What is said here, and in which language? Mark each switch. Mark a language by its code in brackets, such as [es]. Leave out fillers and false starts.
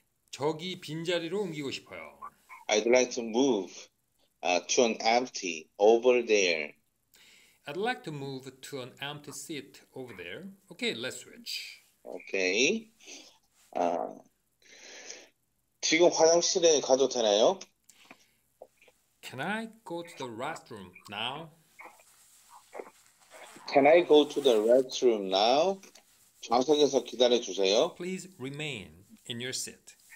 [ko] 저기 빈 자리로 옮기고 싶어요. [en] I'd like to move to an empty over there. I'd like to move to an empty seat over there. Okay, let's switch. Okay. [ko] 지금 화장실에 가도 되나요? [en] Can I go to the restroom now? Can I go to the restroom now? [ko] 좌석에서 기다려 주세요. [en] Please remain in your seat.